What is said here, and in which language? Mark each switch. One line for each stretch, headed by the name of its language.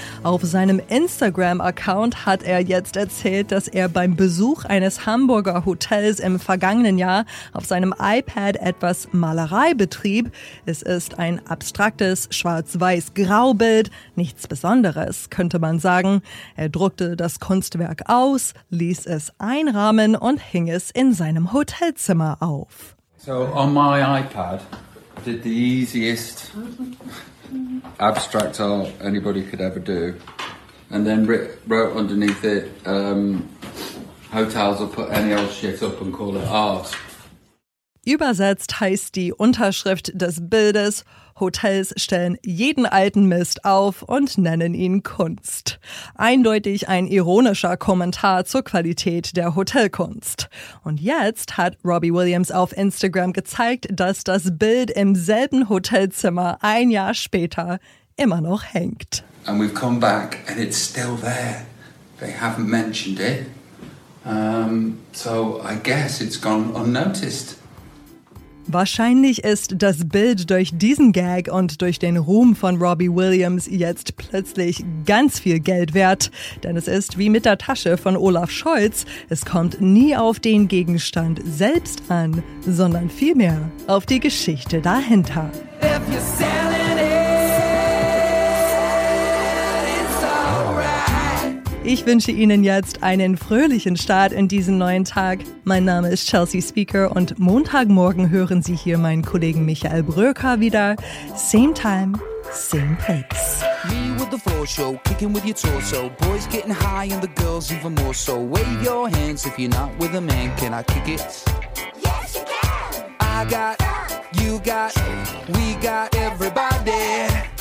German: Auf seinem Instagram-Account hat er jetzt erzählt, dass er beim Besuch eines Hamburger Hotels im vergangenen Jahr auf seinem iPad etwas Malerei betrieb. Es ist ein abstraktes Schwarz-Weiß-Grau-Bild, nichts Besonderes, könnte man sagen. Er druckte das Kunstwerk aus, ließ es einrahmen und hing es in seinem Hotelzimmer auf.
English: So on my iPad did the easiest abstract art anybody could ever do, and then wrote underneath it hotels will put any old shit up and call it art.
German: Übersetzt heißt die Unterschrift des Bildes: Hotels stellen jeden alten Mist auf und nennen ihn Kunst. Eindeutig ein ironischer Kommentar zur Qualität der Hotelkunst. Und jetzt hat Robbie Williams auf Instagram gezeigt, dass das Bild im selben Hotelzimmer ein Jahr später immer noch hängt.
English: And we've come back and it's still there. They haven't mentioned it. So I guess it's gone unnoticed.
German: Wahrscheinlich ist das Bild durch diesen Gag und durch den Ruhm von Robbie Williams jetzt plötzlich ganz viel Geld wert. Denn es ist wie mit der Tasche von Olaf Scholz. Es kommt nie auf den Gegenstand selbst an, sondern vielmehr auf die Geschichte dahinter.
English: If you're selling it, it's all right.
German: Ich wünsche Ihnen jetzt einen fröhlichen Start in diesen neuen Tag. Mein Name ist Chelsea Speaker und Montagmorgen hören Sie hier meinen Kollegen Michael Bröker wieder.
English: Same time, same place. Me with the floor show, kicking with your torso. Boys getting high and the girls even more so. Wave your hands if you're not with a man. Can I kick it? Yes, you can. I got, you got, we got everybody.